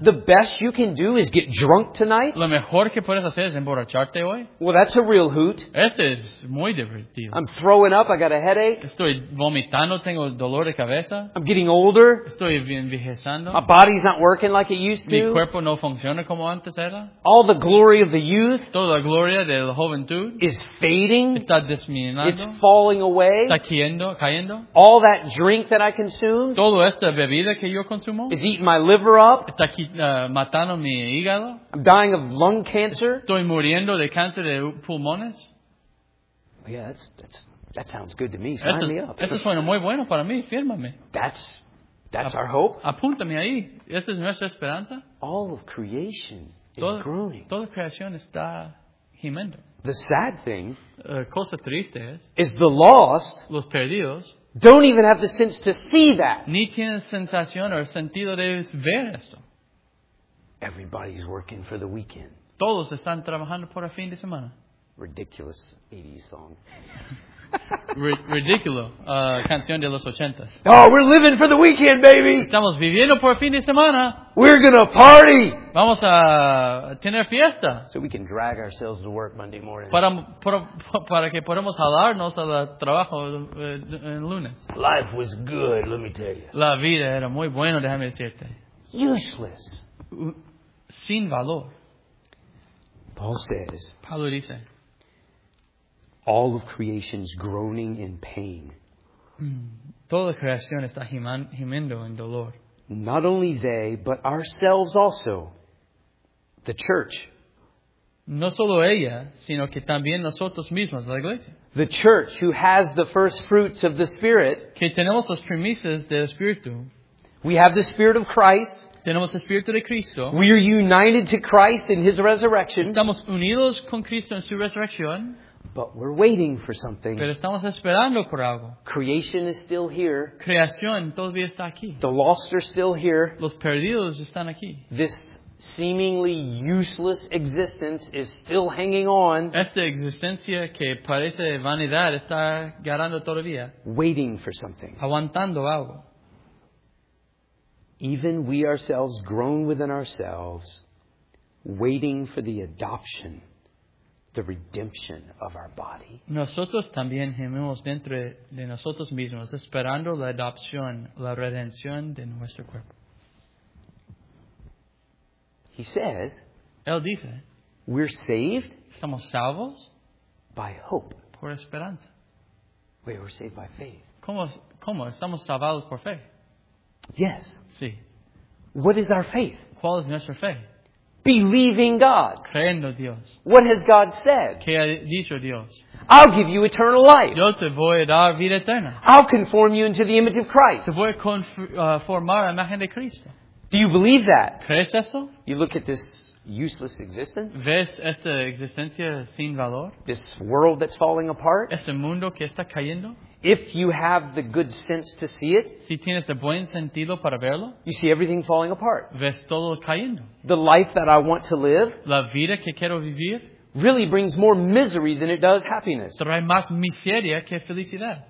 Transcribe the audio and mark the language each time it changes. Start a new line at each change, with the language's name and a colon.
English: The best you can do is get drunk tonight.
Spanish: Lo mejor que puedes hacer es emborracharte hoy.
English: Well, that's a real hoot.
Spanish: Este es muy divertido.
English: I'm throwing up. I got a headache.
Spanish: Estoy vomitando. Tengo dolor de cabeza.
English: I'm getting older.
Spanish: Estoy envejeciendo.
English: My body's not working like it used to.
Spanish: Mi cuerpo no funciona como antes.
English: All the glory of the youth,
Spanish: toda la gloria de la juventud,
English: is fading.
Spanish: Está disminuyendo.
English: It's falling away.
Spanish: Está cayendo, cayendo.
English: All that drink that I consume,
Spanish: todo esta bebida que yo consumo,
English: is eating my liver up.
Spanish: Está matando mi hígado.
English: I'm dying of lung cancer.
Spanish: Estoy muriendo de cáncer de pulmones.
English: Yeah, that sounds good to me. Sign
Spanish: eso,
English: me up.
Spanish: Eso suena muy bueno para mí. Fírmame.
English: That's our hope.
Spanish: Apúntame ahí. Esa es nuestra esperanza.
English: All of creation. Is growing.
Spanish: Toda creación está gimiendo.
English: The sad thing,
Spanish: cosa triste es,
English: is the lost,
Spanish: los perdidos,
English: don't even have the sense to see that.
Spanish: Ni tienen sensación o sentido de ver esto.
English: Everybody's working for the weekend.
Spanish: Todos están trabajando por el fin de semana.
English: Ridiculous 80s song.
Spanish: ridículo, canción de los ochentas.
English: Oh, we're living for the weekend, baby.
Spanish: Estamos viviendo por fin de semana.
English: We're gonna party.
Spanish: Vamos a tener fiesta.
English: So we can drag ourselves to work Monday morning.
Spanish: Para que podamos jalarnos al trabajo en lunes.
English: Life was good, let me tell you.
Spanish: La vida era muy bueno, déjame decirte.
English: Useless.
Spanish: Sin valor.
English: Paul says.
Spanish: Pablo dice.
English: All of creation's groaning in pain.
Spanish: Toda la creación está gimiendo en dolor.
English: Not only they, but ourselves also. The church.
Spanish: No solo ella, sino que también nosotros mismos, la iglesia.
English: The church who has the first fruits of the Spirit.
Spanish: Que tenemos las primicias del Espíritu.
English: We have the Spirit of Christ.
Spanish: Tenemos el Espíritu de Cristo.
English: We are united to Christ in His resurrection.
Spanish: Estamos unidos con Cristo en su resurrección.
English: But we're waiting for something.
Spanish: Pero estamos esperando por algo.
English: Creation is still here.
Spanish: Creación todavía está aquí.
English: The lost are still here.
Spanish: Los perdidos están aquí.
English: This seemingly useless existence is still hanging on.
Spanish: Esta existencia que parece vanidad está agarrando todavía.
English: Waiting for something.
Spanish: Aguantando algo.
English: Even we ourselves groan within ourselves, waiting for the adoption, the redemption of our body.
Spanish: Nosotros también gemimos dentro de nosotros mismos, esperando la adopción, la redención de nuestro cuerpo.
English: He says,
Spanish: Él dice,
English: we're saved,
Spanish: estamos salvos,
English: by hope,
Spanish: por esperanza.
English: Wait, we're saved by faith.
Spanish: ¿Cómo? Estamos salvados por fe.
English: Yes.
Spanish: Sí.
English: What is our faith?
Spanish: ¿Cuál es nuestra fe?
English: Believing God.
Spanish: Creyendo Dios.
English: What has God said?
Spanish: ¿Qué ha dicho Dios?
English: I'll give you eternal life.
Spanish: Yo te voy a dar vida eterna.
English: I'll conform you into the image of Christ.
Spanish: Te voy a conformar a imagen de Cristo.
English: Do you believe that?
Spanish: ¿Crees eso?
English: You look at this useless existence.
Spanish: ¿Ves esta existencia sin valor?
English: This world that's falling apart.
Spanish: ¿Este mundo que está cayendo?
English: If you have the good sense to see it,
Spanish: si tienes el buen sentido para verlo,
English: you see everything falling apart.
Spanish: Ves todo cayendo.
English: The life that I want to live,
Spanish: la vida que quiero vivir,
English: really brings more misery than it does happiness.
Spanish: Trae más miseria que felicidad.